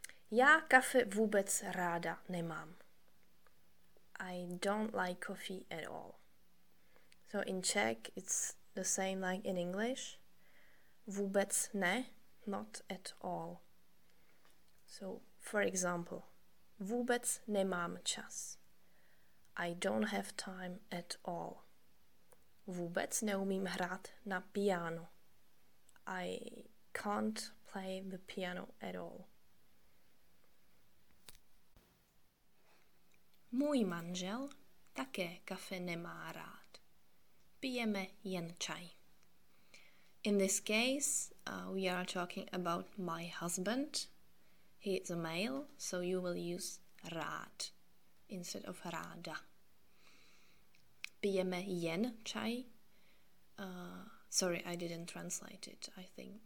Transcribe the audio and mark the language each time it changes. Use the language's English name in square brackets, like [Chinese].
[Czech] Já kafe vůbec ráda nemám. [English] I don't like coffee at all. So in Czech it's the same like in English. Vůbec ne, not at all. So for example, vůbec nemám čas. I don't have time at all. Vůbec neumím hrát na piano. I can't play the piano at all. [Czech] Můj manžel také kafe nemá rád. Pijeme jen čaj. [English] In this case, we are talking about my husband. He is a male, so you will use rád instead of ráda. Pijeme jen čaj. Sorry, I didn't translate it, I think.